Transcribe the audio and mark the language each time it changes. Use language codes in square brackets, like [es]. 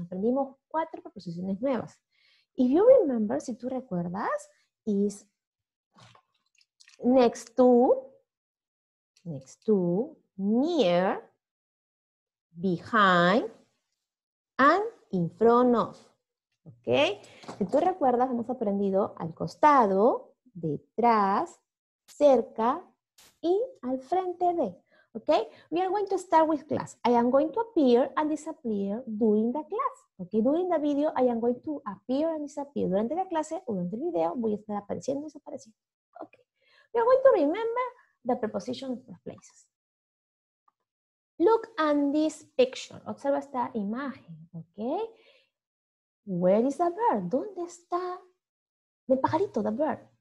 [es] Aprendimos cuatro preposiciones nuevas. [en] If you remember, [es] si tú recuerdas, [en] is next to, next to, near, behind, and in front of. ¿Ok? [es] Si tú recuerdas, hemos aprendido al costado, detrás, cerca y al frente de. [en] ¿Ok? We are going to start with class. I am going to appear and disappear during the class. ¿Ok? During the video, I am going to appear and disappear. [es] Durante la clase o durante el video, voy a estar apareciendo y desapareciendo. [en] ¿Ok? We are going to remember the preposition of places. Look at this picture. [es] Observa esta imagen, [en] ¿ok? Where is the bird? [es] ¿Dónde está el pajarito, [en] the bird?